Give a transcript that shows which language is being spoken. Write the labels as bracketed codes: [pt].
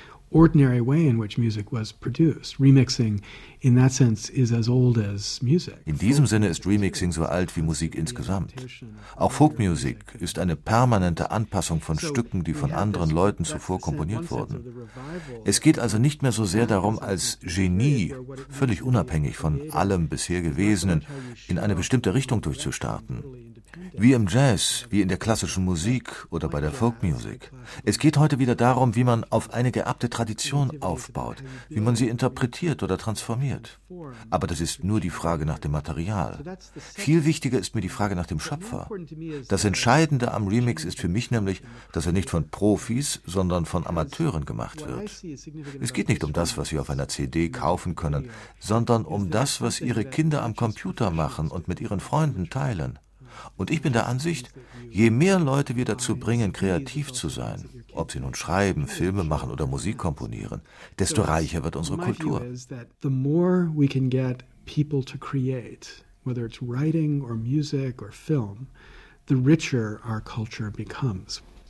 [en] Ordinary way in which music was produced. Remixing in that sense is as old as music. [de] In diesem Sinne ist Remixing so alt wie Musik insgesamt. Auch Folkmusik ist eine permanente Anpassung von Stücken, die von anderen Leuten zuvor komponiert wurden. Es geht also nicht mehr so sehr darum, als Genie, völlig unabhängig von allem bisher Gewesenen, in eine bestimmte Richtung durchzustarten. Wie im Jazz, wie in der klassischen Musik oder bei der Folkmusik. Es geht heute wieder darum, wie man auf eine geerbte Tradition aufbaut, wie man sie interpretiert oder transformiert. Aber das ist nur die Frage nach dem Material. Viel wichtiger ist mir die Frage nach dem Schöpfer. Das Entscheidende am Remix ist für mich nämlich, dass er nicht von Profis, sondern von Amateuren gemacht wird. Es geht nicht um das, was sie auf einer CD kaufen können, sondern um das, was ihre Kinder am Computer machen und mit ihren Freunden teilen. Und ich bin der Ansicht, je mehr Leute wir dazu bringen, kreativ zu sein, ob sie nun schreiben, Filme machen oder Musik komponieren, desto reicher wird unsere Kultur. [en] The more we can get people to create, whether it's writing or music or film, the richer our culture becomes.